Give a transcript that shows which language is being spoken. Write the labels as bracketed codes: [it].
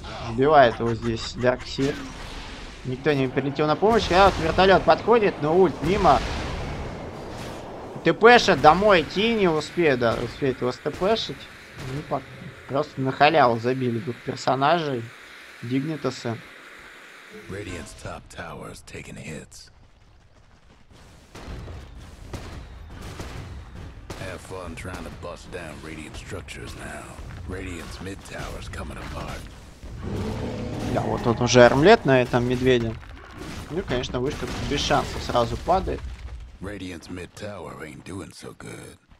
[ru] Убивает его здесь Дарксир. Никто не прилетел на помощь. А вот вертолет подходит, но ульт мимо. ТПша домой идти не успеет, да, успеет его стпшить. Ну, просто на халяву забили двух персонажей. Дигнитасы. [en] Radiant's top tower is taking hits. Have fun trying to bust down Radiant structures now. Radiant's mid tower is coming apart. [ru] Да, вот он уже армлет на этом медведе. Ну, конечно, вышка без шансов сразу падает. [en] Radiant's mid tower ain't doing so good.